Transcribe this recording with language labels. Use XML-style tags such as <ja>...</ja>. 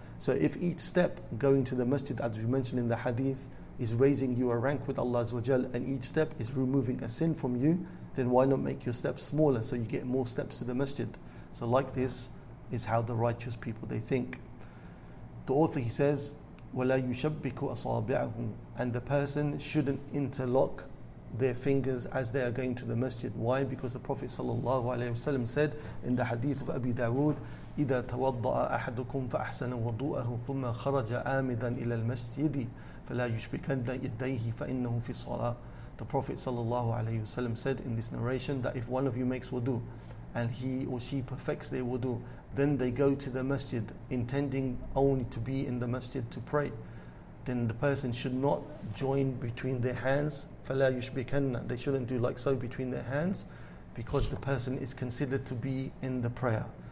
<en>So if each step going to the masjid, as we mentioned in the hadith, is raising you a rank with Allah azza wa jal, and each step is removing a sin from you, then why not make your steps smaller so you get more steps to the masjid? So like this is how the righteous people, they think. The author, he says,</en> <ar>وَلَا يُشَبِّكُ أَصَابِعَهُمْ,</ar> <en>and the person shouldn't interlock their fingers as they are going to the masjid. Why? Because the Prophet sallallahu alaihi wasallam said in the hadith of Abi Dawood,</en> <ar>إِذَا تَوَضَّأَ أَحَدُكُمْ فَأَحْسَنَ وَضُوءَهُ ثُمَّ خَرَجَ آمِدًا إِلَى الْمَسْجِدِ فَلَا يُشْبِكَنَّ يَدَيْهِ فَإِنَّهُ فِي صَلَاةٍ.</ar> <en>The Prophet sallallahu alaihi wasallam said in this narration that if one of you makes wudu and he or she perfects their wudu, then they go to the masjid intending only to be in the masjid to pray, then the person should not join between their hands.</en> <ar>فَلَا يُشْبِكَنَّ,</ar> <en>they shouldn't do like so between their hands, because the person is considered to be in the prayer.</en>